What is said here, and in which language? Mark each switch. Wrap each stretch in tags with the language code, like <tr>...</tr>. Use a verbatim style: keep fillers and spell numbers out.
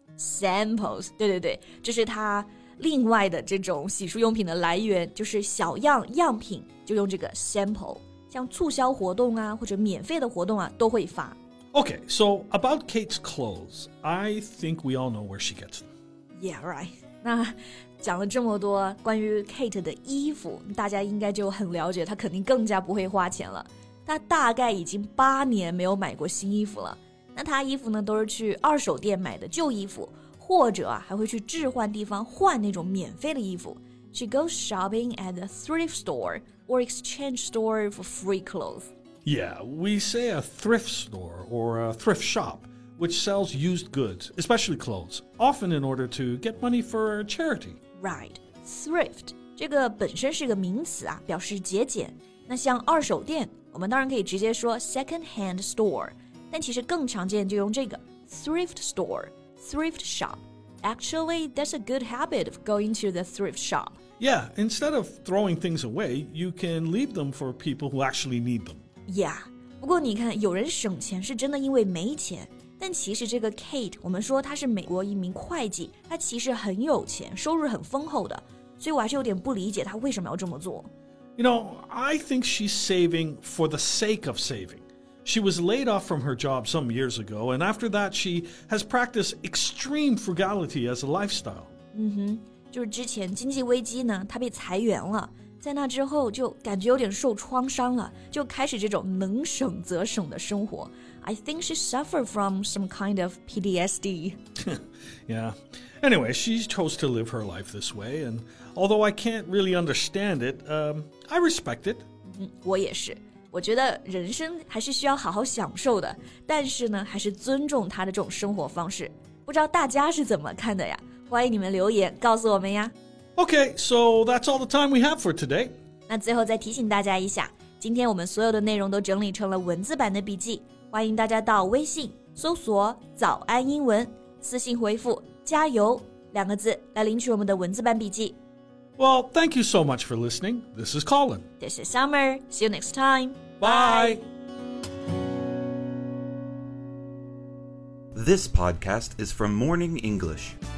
<zh>Samples， 对对对，这是她。另外的这种洗漱用品的来源就是小样样品就用这个 sample 像促销活动啊或者免费的活动啊都会发</zh> <en>Okay, so about Kate's clothes I think we all know where she gets them</en> <zh>Yeah, right 那讲了这么多关于 Kate 的衣服大家应该就很了解她肯定更加不会花钱了她大概已经八年没有买过新衣服了那她衣服呢都是去二手店买的旧衣服或者啊，还会去置换地方换那种免费的衣服。</zh> <en>She goes shopping at the thrift store or exchange store for free clothes. Yeah, we say a thrift store or a thrift shop, which sells used goods, especially clothes, often in order to get money for charity.</en> <zh>Right, thrift 这个本身是个名词啊，表示节俭。那像二手店，我们当然可以直接说 second-hand store， 但其实更常见就用这个 thrift store.</zh> <en>Thrift shop. Actually, that's a good habit of going to the thrift shop. Yeah, instead of throwing things away, you can leave them for people who actually need them.</en> <zh>Yeah, 不过你看，有人省钱是真的因为没钱，但其实这个 Kate， 我们说她是美国一名会计，她其实很有钱，收入很丰厚的，所以我还是有点不理解她为什么要这么做。</zh> <en>You know, I think she's saving for the sake of saving. She was laid off from her job some years ago, and after that, she has practiced extreme frugality as a lifestyle.</en> <zh>嗯哼，就是之前经济危机呢，她被裁员了，在那之后就感觉有点受创伤了，就开始这种能省则省的生活。</zh> <en>I think she suffered from some kind of P T S D. Yeah. Anyway, she chose to live her life this way, and although I can't really understand it, um, I respect it.</en> <zh>嗯，我也是。我觉得人生还是需要好好享受的但是呢还是尊重他的这种生活方式不知道大家是怎么看的呀？欢迎你们留言告诉我们呀。</zh> <en>Okay, so that's all the time we have for today.</en> <zh>那最后再提醒大家一下，今天我们所有的内容都整理成了文字版的笔记，欢迎大家到微信搜索早安英文，私信回复加油两个字来领取我们的文字版笔记。</zh> <en>Well, thank you so much for listening. This is Colin. This is Summer. See you next time. Bye. This podcast is from Morning English.</en>